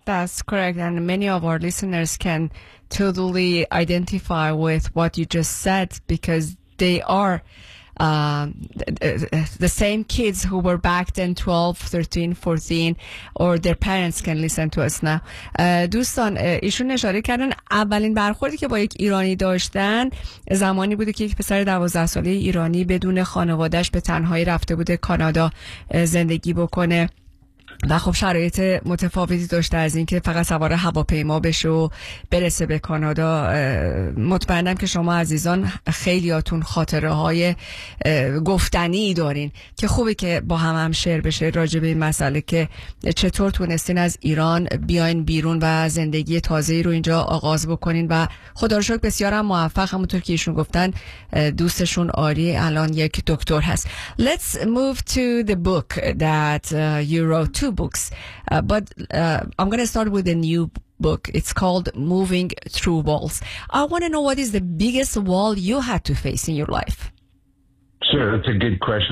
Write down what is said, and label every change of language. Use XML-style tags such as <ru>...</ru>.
<en>That's correct. And many of our listeners can totally identify with what you just said, because they are the same kids who were back then, 12, 13, 14, or their parents can listen to us now.</en> <fa>دوستان ایشون اشاره کردن اولین برخوردی که با یک ایرانی داشتن زمانی بود که یک پسر 12 ساله ایرانی بدون خانوادش به تنهایی رفته بوده کانادا زندگی بکنه و خب شرایط متفاوتی داشته از این که فقط سوار هواپیما بشه و برسه به کانادا. مطمئنم که شما عزیزان خیلیاتون خاطره های گفتنی دارین که خوبه که با هم هم شیر بشه راجع به این مسئله که چطور تونستین از ایران بیاین بیرون و زندگی تازه‌ای رو اینجا آغاز بکنین و خدا رو شکر بسیار هم موفق. همونطور که ایشون گفتن دوستشون آری الان یک دکتر هست.</fa> <en>Let's move to the book that you wrote. Two books, but I'm going to start with a new book. It's called Moving Through Walls. I want to know, what is the biggest wall you had to face in your life? Sure, that's a good question.</en>